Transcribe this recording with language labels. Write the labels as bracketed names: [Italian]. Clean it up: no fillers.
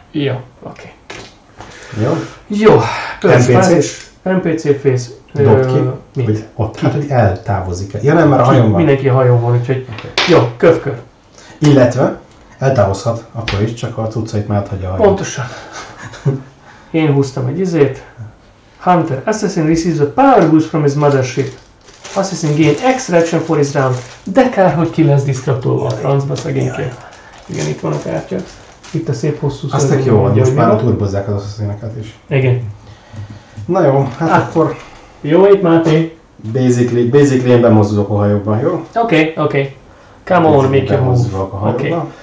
[Hungarian] Jó, oké. Okay. Jó. NPC-fész. NPC-fész. Dobd ki, mit? Hogy ott, ki? Hát, hogy eltávozik-e. Ja nem, mert a hajón van. Mindenki a hajón van, úgyhogy okay. Jó, kövkör. Illetve eltávozhat akkor is, csak a cuccait már hagyja a hajón. Pontosan. Én húztam egy izét. [English] Hunter, assassin receives a power boost from his mothership. Assassin gain extra action for his round. [Hungarian] De kár, hogy ki lesz disztraktolva a francba szegényként. Igen, itt van a kártya. Itt a szép hosszú szörnyű. Aztek jó, hogy most már turbozzák az asszaszineket is. Igen. Na jó, hát akkor... Jó itt, Máté! Basically én bemozdulok a hajóban, jó? [English] Oké. Come on, make your move.